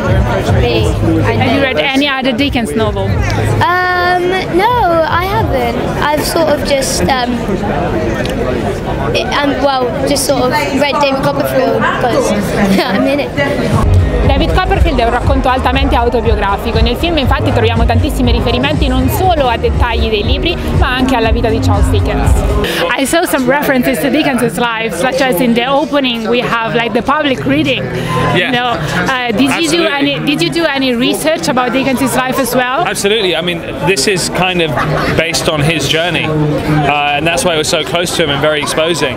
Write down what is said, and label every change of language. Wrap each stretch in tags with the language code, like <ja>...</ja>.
<en>Have you read any other Dickens novel? No, I haven't. I've sort of just just sort of read David Copperfield because I'm in it.</en> <it>David Copperfield è un racconto altamente autobiografico. Nel film infatti troviamo tantissimi riferimenti non solo a dettagli dei libri, ma anche alla vita di Charles Dickens.</it> <en>I saw some references to Dickens' life, such as in the opening we have like the public reading. Yeah. You know, did you do any research about Dickens' life as well? Absolutely. I mean, this is kind of based on his journey, and that's why it was so close to him and very exposing.</en>